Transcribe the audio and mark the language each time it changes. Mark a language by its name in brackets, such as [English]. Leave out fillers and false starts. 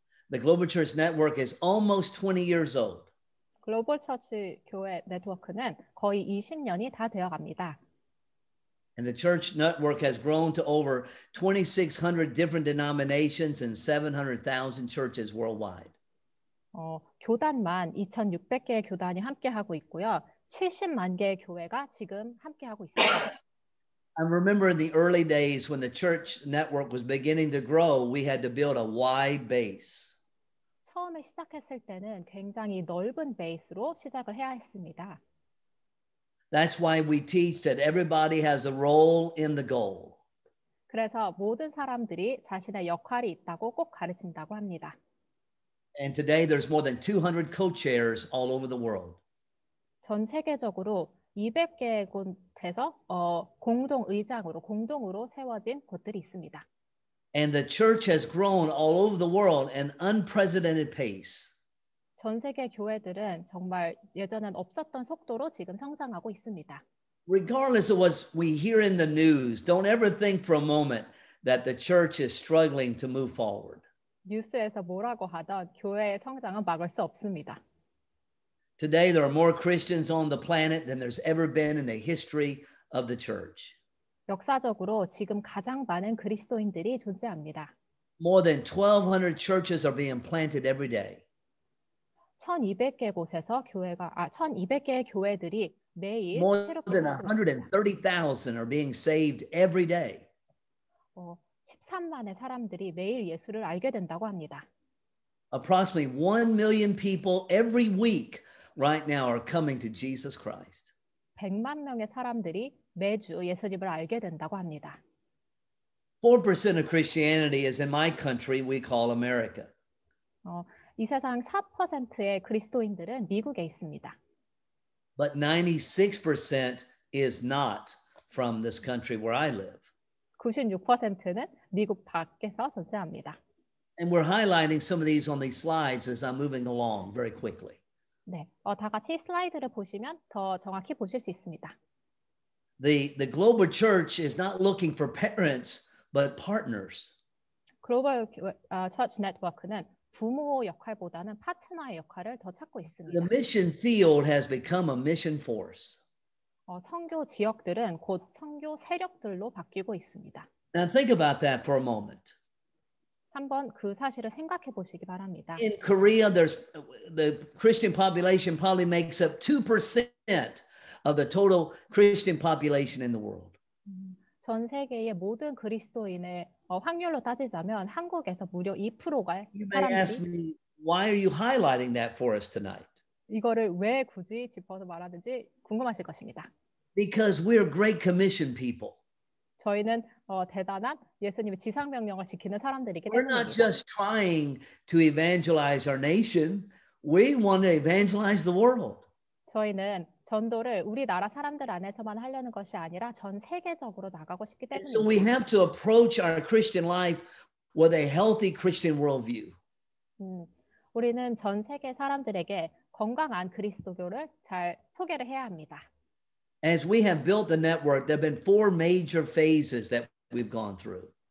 [English] The Global Church Network is almost 20 years old. [Korean] Global Church 교회 네트워크는 거의 20년이 다 되어갑니다. [English] And the church network has grown to over 2,600 different denominations and 700,000 churches worldwide. [Korean] 교단만 2,600개의 교단이 함께하고 있고요. 70만 개의 교회가 지금 함께하고 있습니다. [English] I remember in the early days when the church network was beginning to grow, we had to build a wide base. [Korean] 처음에 시작했을 때는 굉장히 넓은 베이스로 시작을 해야 했습니다. [English] That's why we teach that everybody has a role in the goal. [Korean] 그래서 모든 사람들이 자신의 역할이 있다고 꼭 가르친다고 합니다. [English] And today there's more than 200 co-chairs all over the world. [Korean] 전 세계적으로 200개 곳에서 공동 의장으로 공동으로 세워진 곳들이 있습니다. [English] And the church has grown all over the world at an unprecedented pace. [Korean] 전 세계 교회들은 정말 예전엔 없었던 속도로 지금 성장하고 있습니다. [English] Regardless of what we hear in the news, don't ever think for a moment that the church is struggling to move forward. [Korean] 뉴스에서 뭐라고 하던 교회의 성장은 막을 수 없습니다. [English] Today there are more Christians on the planet than there's ever been in the history of the church. [Korean] 역사적으로 지금 가장 많은 그리스도인들이 존재합니다. [English] More than 1200 churches are being planted every day. [Korean] 1200개 곳에서 교회가 1200개의 교회들이 매일 [English] More than 130,000 are being saved every day. [Korean] 13만의 사람들이 매일 예수를 알게 된다고 합니다. [English] Approximately 1 million people every week right now are coming to Jesus Christ. [Korean] 100만 명의 사람들이 매주 예수님을 알게 된다고 합니다. [English] 4% of Christianity is in my country we call America. [Korean] 이 세상 4%의 그리스도인들은 미국에 있습니다. [English] But 96% is not from this country where I live. [Korean] 96%는 미국 밖에서 존재합니다. [English] And we're highlighting some of these on these slides as I'm moving along very quickly. [Korean] 네, 다 같이 슬라이드를 보시면 더 정확히 보실 수 있습니다. [English] The global church is not looking for parents but partners. [Korean] Global church network는 부모 역할보다는 파트너의 역할을 더 찾고 있습니다. [English] The mission field has become a mission force. [Korean] 선교 지역들은 곧 선교 세력들로 바뀌고 있습니다. [English] Now think about that for a moment. [Korean] 한번 그 사실을 생각해 보시기 바랍니다. [English] In Korea, there's the Christian population probably makes up 2% of the total Christian population in the world. [Korean] 전 세계의 모든 그리스도인의 확률로 따지자면 한국에서 무려 2%가 사람들이 [English] You may ask me, why are you highlighting that for us tonight? [Korean] 이거를 왜 굳이 짚어서 말하는지 궁금하실 것입니다. [English] Because we are great commission people. [Korean] 저희는 대단한 예수님의 지상 명령을 지키는 사람들이기 때문에 [English] We're not just trying to evangelize our nation. We want to evangelize the world. [Korean] 저희는 전도를 우리나라 사람들 안에서만 하려는 것이 아니라 전 세계적으로 나가고 싶기 때문에 [English] So we have to approach our Christian life with a healthy Christian worldview. [Korean] 우리는 전 세계 사람들에게 건강한 그리스도교를 잘 소개를 해야 합니다. [English] As we have built the network, there have been four major phases that we've gone through.